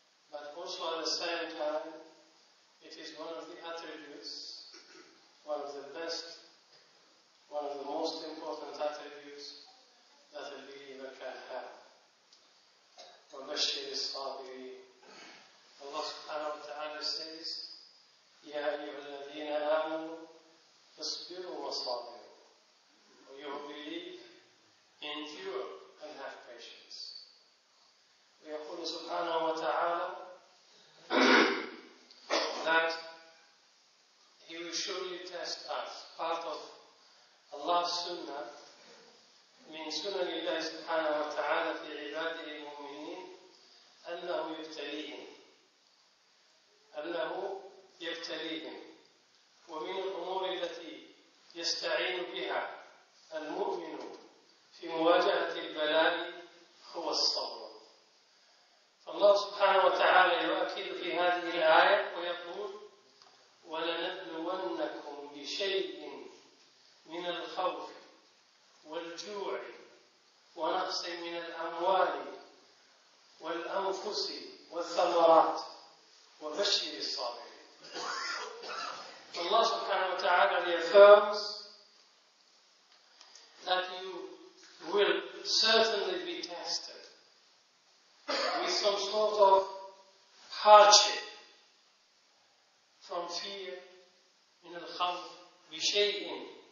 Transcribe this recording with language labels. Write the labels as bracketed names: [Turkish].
[English] But also at the same time, it is one of the attributes, one of the best, one of the most important attributes that a believer can have. [Arabic] وَبَشِّرِ الصَّابِرِينَ. [English] Allah subhanahu wa ta'ala says, [Arabic] يَا أَيُّهَا الَّذِينَ آمَنُوا اصْبِرُوا وَصَابِرُوا. [English] Or you believe, endure and have patience. [Arabic] ويقول سبحانه وتعالى [English] that He will surely test us. Part of Allah's sunnah, [Arabic] من سنة الله سبحانه وتعالى في عباده المؤمنين أنه يبتليهم. أنه يبتليهم. ومن الأمور التي يستعين بها المؤمن في مواجهة البلاء هو الصبر. فالله سبحانه وتعالى يؤكد في هذه الآية ويقول: ولنبلونكم بشيء من الخوف والجوع ونقص من الأموال والأنفس والثمرات وبشر الصابرين. الله سبحانه وتعالى [English] reaffirms that you will certainly be tested with some sort of hardship from fear [Arabic] من الخوف بشيء.